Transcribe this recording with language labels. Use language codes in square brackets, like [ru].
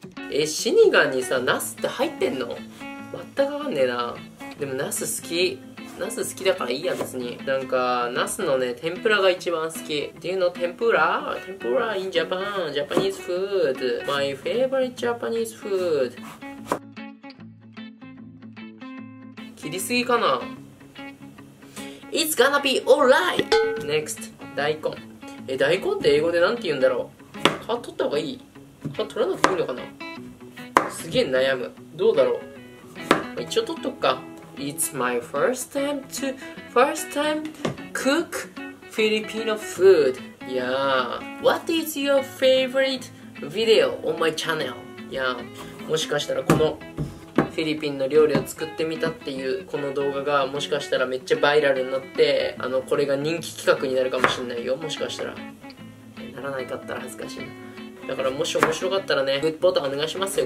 [ja] え、シニガンにさ、ナスって入ってんの？全くわかんねえな。でもナス好き。ナス好きだからいいや、別に。なんかナスのね、天ぷらが一番好き。 [en] Do you know tempura? Tempura in Japan, Japanese food. My favorite Japanese food. [ja] 切りすぎかな。 [en] It's gonna be alright. Next. [ja] 大根。え、大根って英語でなんて言うんだろう。皮取った方がいい。皮取らなくていいのかな。すげえ悩む。どうだろう。一応取っとくか。 [en] It's my first time cook Filipino food. Yeah. What is your favorite video on my channel? Yeah. [ja] もしかしたらこのフィリピンの料理を作ってみたっていうこの動画が、もしかしたらめっちゃバイラルになって、あの、これが人気企画になるかもしれないよ、もしかしたら。ならないかったら恥ずかしいな。だからもし面白かったらね、グッドボタンお願いしますよ。